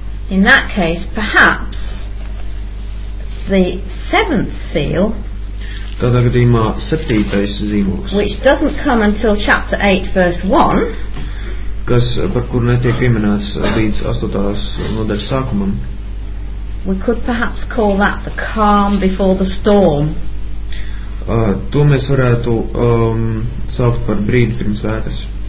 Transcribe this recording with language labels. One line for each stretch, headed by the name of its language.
English: In that case, perhaps the seventh seal,
Latvian: tādā gadījumā septītais zīmogs,
English: which doesn't come until chapter 8, verse 1,
Latvian: kas par kuru netiek pieminēts līdz 8. Nodaļas sākumam.
English: We could perhaps call that the calm before the storm.
Latvian: To mēs varētu saukt par brīdi pirms vētras.